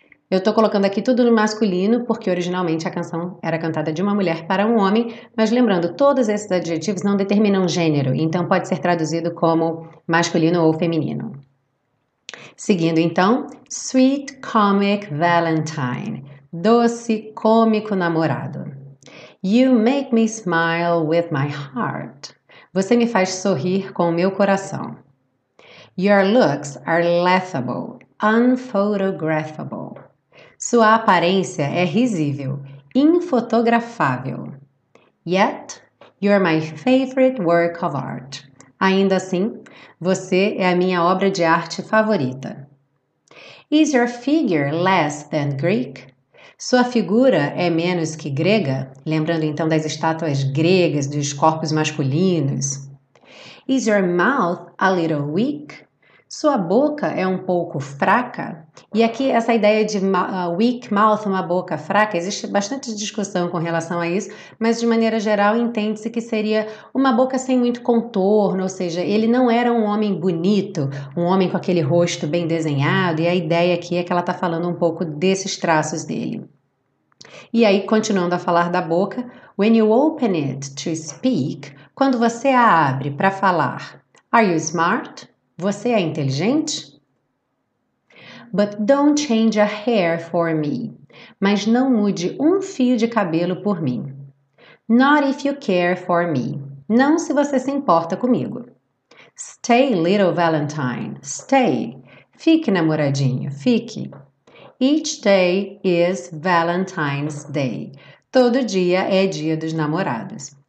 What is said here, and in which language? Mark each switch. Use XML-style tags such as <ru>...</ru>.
<pt>Eu estou colocando aqui tudo no masculino, porque originalmente a canção era cantada de uma mulher para um homem, mas lembrando, todos esses adjetivos não determinam gênero, então pode ser traduzido como masculino ou feminino. Seguindo então,</pt> <en>Sweet Comic Valentine,</en> <pt>doce cômico namorado.</pt> <en>You make me smile with my heart.</en> <pt>Você me faz sorrir com o meu coração.</pt> <en>Your looks are laughable, unphotographable.</en> <pt>Sua aparência é risível, infotografável.</pt> <en>Yet, you're my favorite work of art.</en> <pt>Ainda assim, você é a minha obra de arte favorita.</pt> <en>Is your figure less than Greek?</en> <pt>Sua figura é menos que grega? Lembrando então das estátuas gregas, dos corpos masculinos.</pt> <en>Is your mouth a little weak?</en> <pt>Sua boca é um pouco fraca? E aqui essa ideia de weak mouth, uma boca fraca, existe bastante discussão com relação a isso, mas de maneira geral entende-se que seria uma boca sem muito contorno, ou seja, ele não era um homem bonito, um homem com aquele rosto bem desenhado, e a ideia aqui é que ela está falando um pouco desses traços dele. E aí, continuando a falar da boca,</pt> <en>when you open it to speak,</en> <pt>quando você a abre para falar,</pt> <en>are you smart?</en> <pt>Você é inteligente?</pt> <en>But don't change a hair for me.</en> <pt>Mas não mude um fio de cabelo por mim.</pt> <en>Not if you care for me.</en> <pt>Não se você se importa comigo.</pt> <en>Stay, little Valentine. Stay.</en> <pt>Fique, namoradinho, fique.</pt> <en>Each day is Valentine's Day.</en> <pt>Todo dia é dia dos namorados.</pt>